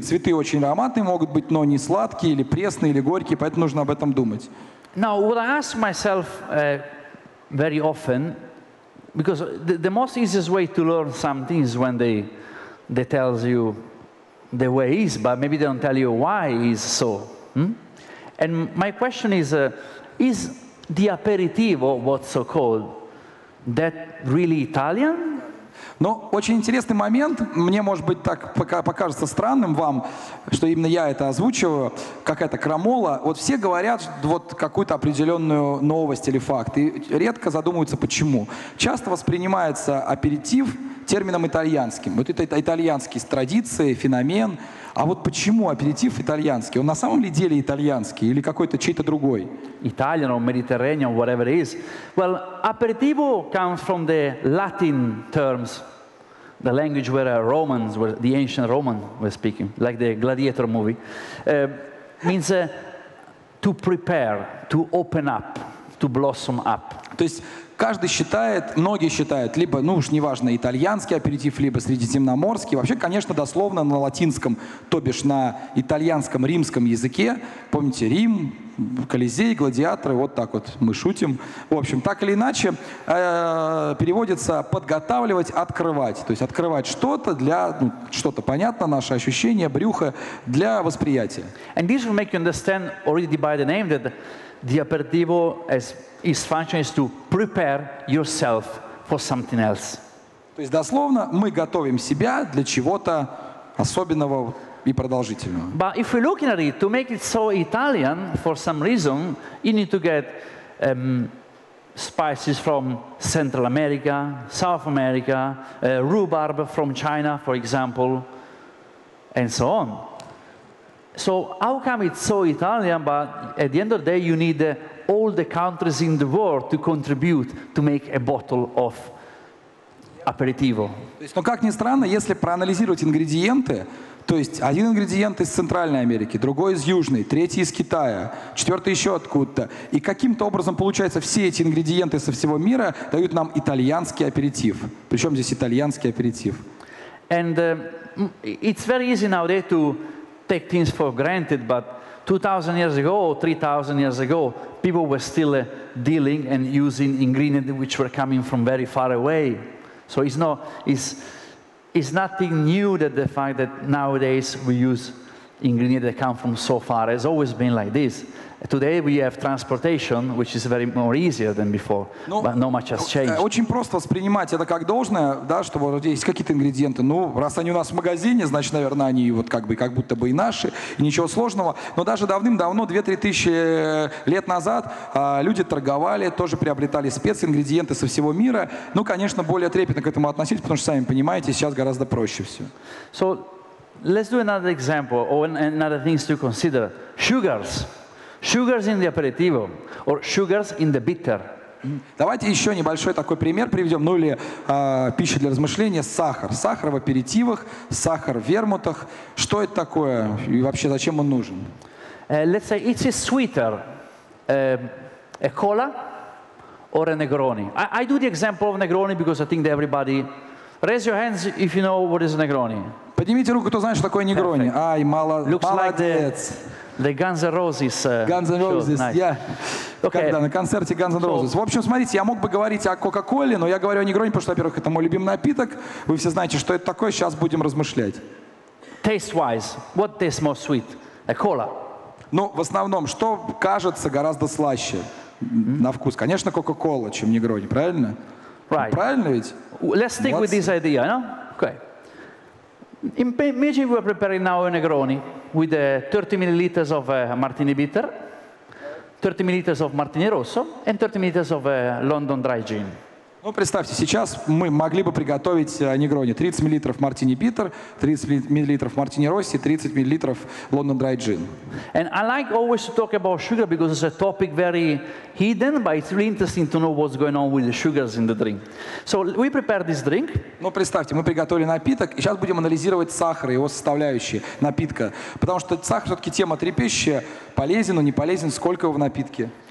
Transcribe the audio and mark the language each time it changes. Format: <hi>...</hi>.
<ru>Цветы очень ароматные могут быть, но не сладкие или пресные или горькие. Поэтому нужно об этом думать.</ru> <en>Now, what I ask myself very often, because the most easiest way to learn something is when they tell you the way is, but maybe they don't tell you why is so. Hmm? And my question is the aperitivo, what's so called, that really Italian?</en> <ru>Но очень интересный момент, мне, может быть, так покажется странным вам, что именно я это озвучиваю, какая-то крамола. Вот все говорят вот какую-то определенную новость или факт, и редко задумываются, почему. Часто воспринимается аперитив термином итальянским. Вот это итальянский, с традицией, феномен. А вот почему аперитив итальянский? Он на самом ли деле итальянский или какой-то чей-то другой?</ru> <en>Italian or Mediterranean, whatever it is. Well, aperitivo comes from the Latin terms, the language where Romans, where the ancient Roman were speaking, like the Gladiator movie, means to prepare, to open up, to blossom up.</en> <ru>То есть каждый считает, многие считают, либо, ну уж неважно, итальянский аперитив, либо средиземноморский. Вообще, конечно, дословно на латинском, то бишь на итальянском, римском языке. Помните, Рим, Колизей, гладиаторы, вот так вот мы шутим. В общем, так или иначе, переводится «подготавливать, открывать». То есть открывать что-то для, ну, что-то понятно, наше ощущение, брюхо, для восприятия.</ru> <en>And this will make you understand already by the name that the aperitivo has... His function is to prepare yourself for something else.</en> <ru>То есть дословно мы готовим себя для чего-то особенного и продолжительного.</ru> <en>But if we're looking at it, to make it so Italian, for some reason, you need to get spices from Central America, South America, rhubarb from China, for example, and so on. So how come it's so Italian, but at the end of the day you need all the countries in the world to contribute to make a bottle of aperitivo.</en> <ru>Но как ни странно, если проанализировать ингредиенты, то есть один ингредиент из Центральной Америки, другой из Южной, третий из Китая, четвертый еще откуда-то, и каким-то образом получается все эти ингредиенты со всего мира дают нам итальянский аперитив. Причем здесь итальянский аперитив?</ru> <en>And it's very easy nowadays to take things for granted, but 2,000 years ago, 3,000 years ago, people were still dealing and using ingredients which were coming from very far away. So it's nothing new that the fact that nowadays we use ingredients that come from so far has always been like this. Today we have transportation, which is very more easier than before, ну, but not much has changed.</en> <ru>Очень просто воспринимать это как должное, да, что вот есть какие-то ингредиенты. Ну, раз они у нас в магазине, значит, наверное, они вот как бы как будто бы и наши, и ничего сложного. Но даже давным-давно, 2-3 тысячи лет назад, люди торговали, тоже приобретали спецингредиенты со всего мира. Ну, конечно, более трепетно к этому относились, потому что, сами понимаете, сейчас гораздо проще все.</ru> <en>So, let's do another example, or another things to consider. Sugars. Sugars in the aperitivo, or sugars in the bitter.</en> <ru>Давайте еще небольшой такой пример приведем, ну или пища для размышления, сахар. Сахар в аперитивах, сахар в вермутах. Что это такое и вообще зачем он нужен?</ru> <en>Let's say it's a sweeter, a cola or a Negroni. I do the example of Negroni because I think that everybody... Raise your hands if you know what is Negroni.</en> <ru>Поднимите руку, кто знает, что такое Негрони. Ай, мало,</ru> <en>Looks</en> <ru>молодец.</ru> <en>Like the Guns N' Roses. Guns N' Roses, nice. Yeah. Okay.</en> <ru>Когда на концерте Guns N' Roses. So, в общем, смотрите, я мог бы говорить о Кока-Коле, но я говорю о Негрони, потому что, во-первых, это мой любимый напиток. Вы все знаете, что это такое. Сейчас будем размышлять.</ru> <en>Taste-wise, what tastes more sweet? A cola</en> <ru>Ну, в основном, что кажется гораздо слаще на вкус? Конечно, Coca-Cola, чем Негрони, правильно?</ru> <en>Right.</en> <ru>Правильно ведь?</ru> <en>Let's stick with this idea, no? Okay. Imagine we're preparing now a Negroni with 30 milliliters of Martini Bitter, 30 milliliters of Martini Rosso, and 30 milliliters of London Dry Gin.</en> <ru>Ну, представьте, сейчас мы могли бы приготовить Негрони 30 миллилитров Мартини Питер, 30 миллилитров Мартини Росси, 30 миллилитров Лондон Драй Джин.</ru> <en>And I like always to talk about sugar because it's a topic very hidden, but it's really interesting to know what's going on with the sugars in the drink. So we prepare this drink.</en> <ru>Ну, представьте, мы приготовили напиток, и сейчас будем анализировать сахар и его составляющие напитка, потому что сахар все-таки тема трепещущая, полезен он, не полезен, сколько его в напитке.</ru>